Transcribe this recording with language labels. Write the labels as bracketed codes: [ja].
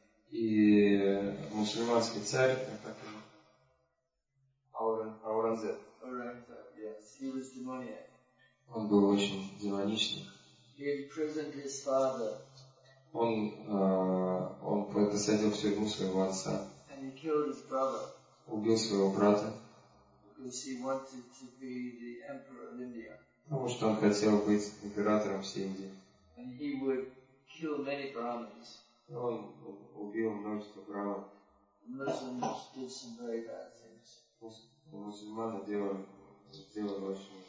[ru] и мусульманский царь, Аурангзеб. [en] Аурангзеб, yes, he was demoniac. [ru] Он был очень демоничным. [en] He imprisoned his father. [ru] Он посадил всю вину своего отца. [en] And he killed his brother. [ru] Убил своего брата. [en] Because he wanted to be the emperor of India. [ru] Потому что он хотел быть императором всей Индии. [en] And he would kill many Brahmins. [ru] Он убил множество брахман. [en] Muslims did some very bad things. [ru] Мусульманы делали очень.